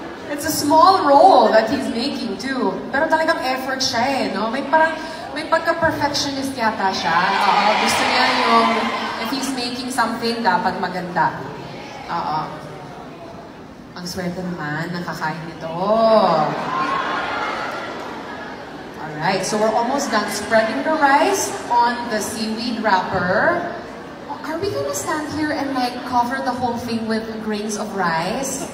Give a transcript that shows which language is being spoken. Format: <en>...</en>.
<en>It's a small roll that he's making too.</en> <tl>Pero talagang effort siya eh, no? May pagka-perfectionist yata siya. Gusto niya yung</tl> <en>if he's making something,</en> <tl>dapat maganda. Oo. Ang swerte naman, nakakain nito.</tl> <en>Alright, so we're almost done spreading the rice on the seaweed wrapper. Are we gonna stand here and like cover the whole thing with grains of rice?</en>